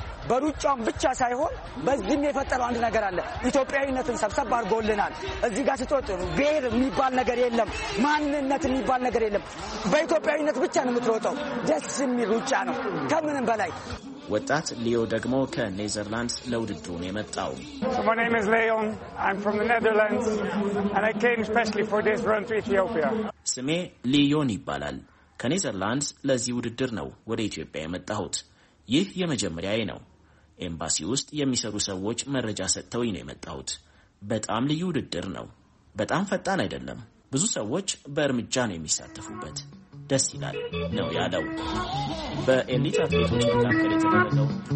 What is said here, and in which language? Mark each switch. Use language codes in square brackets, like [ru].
[am] በሩጫውን ብቻ ሳይሆን በዚህም የፈጠረው አንድ ነገር አለ። ኢትዮጵያዊነትን ሰብሰብ አድርጎልናል። እዚህ ጋር ስትወጥ ብሔር የሚባል ነገር የለም፣ ማንነት የሚባል ነገር የለም። በኢትዮጵያዊነት ብቻ ነው የምትሮጠው። ደስ የሚል ሩጫ ነው ከምንም በላይ። ወጣት ሊዮ ደግሞ ከኔዘርላንድስ ለውድድሩ ነው የመጣው። [en] So my name is Leon. I'm from the Netherlands and I came especially for this run to Ethiopia. [am] ስሜ ሊዮን ይባላል። ከኔዘርላንድስ ለዚህ ውድድር ነው ወደ ኢትዮጵያ የመጣሁት። ይህ የመጀመሪያዬ ነው። ኤምባሲ ውስጥ የሚሰሩ ሰዎች መረጃ ሰጥተውኝ ነው የመጣሁት። በጣም ልዩ ውድድር ነው። በጣም ፈጣን አይደለም። ብዙ ሰዎች በእርምጃ ነው የሚሳተፉበት። ደስ ይላል ነው ያለው። በኤሊት አትሌቶች መካከል የተደረገው